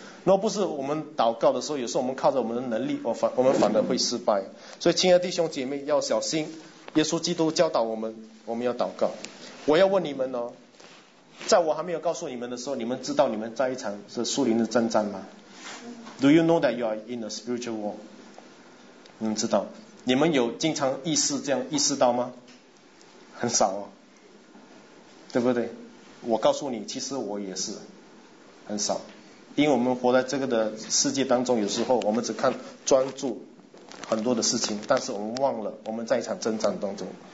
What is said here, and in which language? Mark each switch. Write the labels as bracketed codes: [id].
[zh] 若不是我们祷告的时候，有时候我们靠着我们的能力，我们反而会失败。所以亲爱的弟兄姐妹要小心，耶稣基督教导我们，我们要祷告。我要问你们哦，在我还没有告诉你们的时候，你们知道你们在一场是属灵的征战吗？ [en] Do you know that you are in a spiritual war? [zh] 你们知道，你们有经常意识这样意识到吗？很少哦，对不对？我告诉你，其实我也是很少，因为我们活在这个的世界当中，有时候我们只看专注很多的事情，但是我们忘了我们在一场征战当中。